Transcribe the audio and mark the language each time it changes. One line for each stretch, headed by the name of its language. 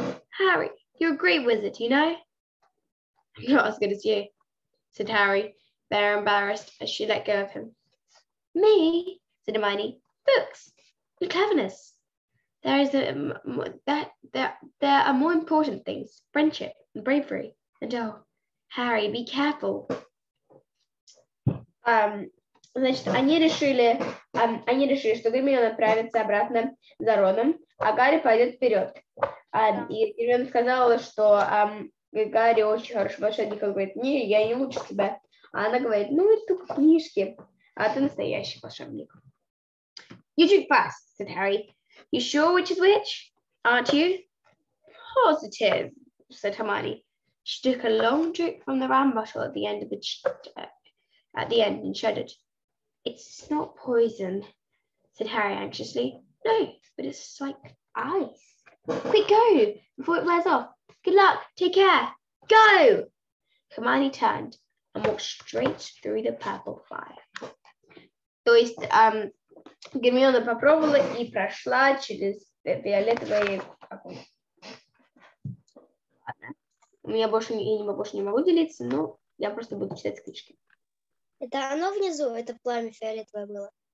English: Harry, you're a great wizard, you know? I'm not as good as you, said Harry, very embarrassed as she let go of him. Me, said Hermione, books and cleverness. There are more important things, friendship and bravery. And oh, Harry, be careful.
Russian: Значит, они решили, что Гермиона отправится обратно за Роном, а Гарри пойдет вперед. И Рон сказала, что Гарри очень хороший волшебник. Он говорит, не, я не лучше тебя. А она говорит, ну, это только книжки. А ты настоящий волшебник.
English: You drink fast, said Harry. You sure which is which, aren't you? Positive, said Hermione. She took a long drink from the ram bottle at the end of the at the end and shuddered. It's not poison, said Harry anxiously. No, but it's like ice. Quick, go before it wears off. Good luck. Take care. Go. Hermione turned and walked straight through the purple fire.
Russian: То есть Гермиона попробовала и прошла через фиолетовый огонь. Я больше не могу делиться, но я просто буду читать книжки. Это оно внизу, это пламя фиолетовое было?